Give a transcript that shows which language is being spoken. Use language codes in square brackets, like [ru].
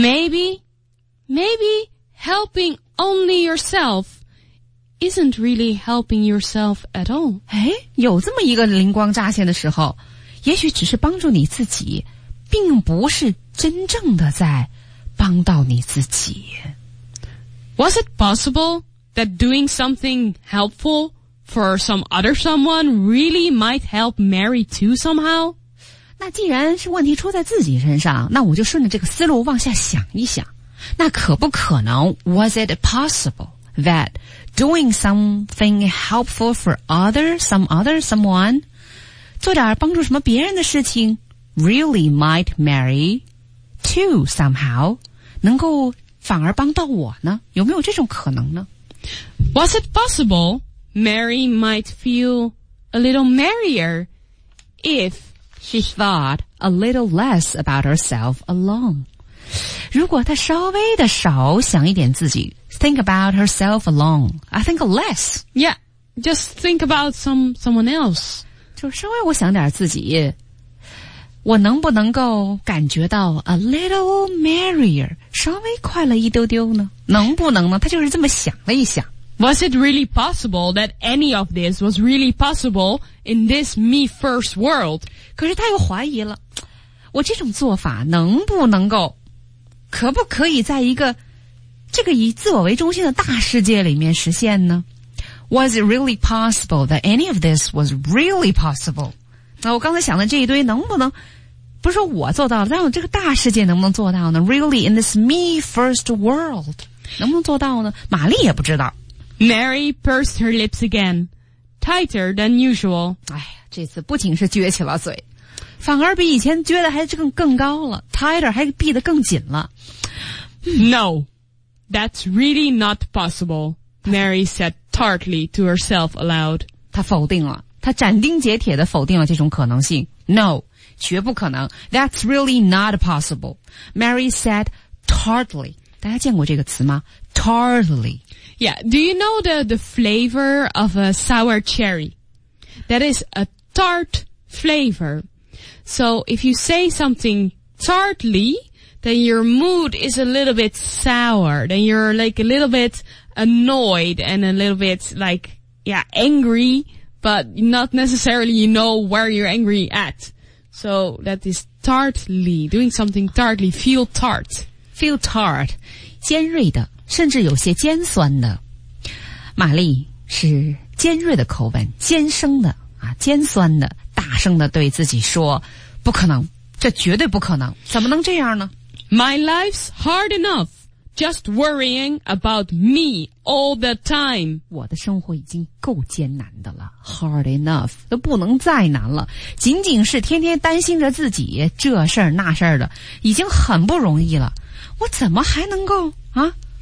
[en] Maybe helping only yourself isn't really helping yourself at all. [zh] 诶，有这么一个灵光乍现的时候，也许只是帮助你自己并不是真正的在帮到你自己。 [en] Was it possible that doing something helpful for some other someone really might help Mary too somehow? [zh] 那既然是问题出在自己身上，那我就顺着这个思路往下想一想。那可不可能 [en] Was it possible that doing something helpful for some other someone [zh] 做点帮助什么别人的事情 [en] really might Mary too somehow? [zh] 能够反而帮到我呢？有没有这种可能呢？ [en] Was it possible Mary might feel a little merrier if she thought a little less about herself alone? [zh] 如果她稍微的少想一点自己 [en] think about herself alone, I think less. Yeah, just think about someone else. [zh] 就稍微我想点自己，我能不能够感觉到 [en] a little merrier? [zh] 稍微快了一丢丢呢？能不能呢？他就是这么想了一想。 [en] Was it really possible that any of this was really possible in this me first world? [zh] 可是他又怀疑了，我这种做法能不能够，可不可以在一个这个以自我为中心的大世界里面实现呢？ [en] Was it really possible that any of this was really possible? [zh] 那我刚才想的这一堆能不能，不是说我做到了，但我这个大世界能不能做到呢？ [en] Really in this me first world [zh] 能不能做到呢？玛丽也不知道。 [en] Mary pursed her lips again, tighter than usual. [zh] 哎呀，这次不仅是撅起了嘴，反而比以前撅的还更高了， tighter 还闭得更紧了。 [en] No, that's really not possible, Mary said tartly to herself aloud. [zh] 她否定了，她斩钉截铁地否定了这种可能性。 [en] No, [zh] 绝不可能。 [en] That's really not possible, Mary said tartly. [zh] 大家见过这个词吗？ [en] Tartly. Yeah, do you know the flavor of a sour cherry? That is a tart flavor. So if you say something tartly, then your mood is a little bit sour. Then you're like a little bit annoyed and a little bit like, yeah, angry, but not necessarily you know where you're angry at. So that is tartly, doing something tartly, feel tart. Feel tart, [zh] 尖锐的。甚至有些尖酸的，玛丽是尖锐的口吻，尖声的啊，尖酸的，大声的对自己说：“不可能，这绝对不可能，怎么能这样呢 [en] ？”My life's hard enough, just worrying about me all the time. [zh] 我的生活已经够艰难的了 ， [en] hard enough [zh] 都不能再难了，仅仅是天天担心着自己这事儿那事儿的，已经很不容易了，我怎么还能够啊？